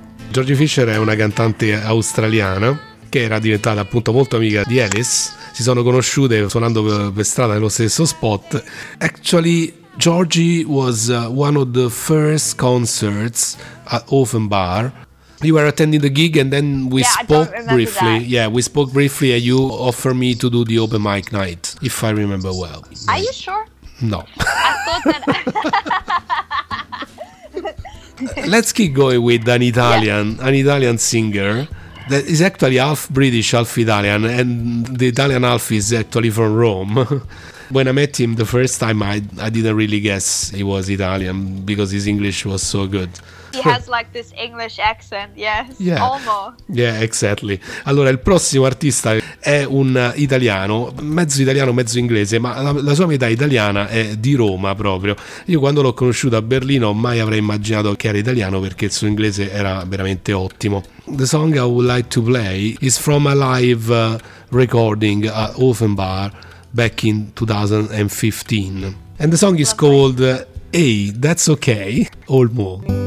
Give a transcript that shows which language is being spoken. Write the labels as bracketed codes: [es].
[it] Georgie Fisher è una cantante australiana che era diventata appunto molto amica di Alice. Si sono conosciute suonando per strada nello stesso spot. [en] Actually, Georgie was one of the first concerts at Offenbar. You were attending the gig and then we spoke briefly. That. Yeah, we spoke briefly and you offered me to do the open mic night, if I remember well. Are you sure? No. I thought that... Let's keep going with an Italian, an Italian singer. That is actually half British, half Italian, and the Italian half is actually from Rome. When I met him the first time, I didn't really guess he was Italian because his English was so good. He has like this English accent, yes, yeah. Almost. Yeah, exactly. [it] Allora, il prossimo artista è un italiano, mezzo inglese, ma la sua metà italiana è di Roma proprio. Io quando l'ho conosciuto a Berlino mai avrei immaginato che era italiano perché il suo inglese era veramente ottimo. [en] The song I would like to play is from a live recording at Offenbar back in 2015. And the song is called Hey, That's Okay, or More.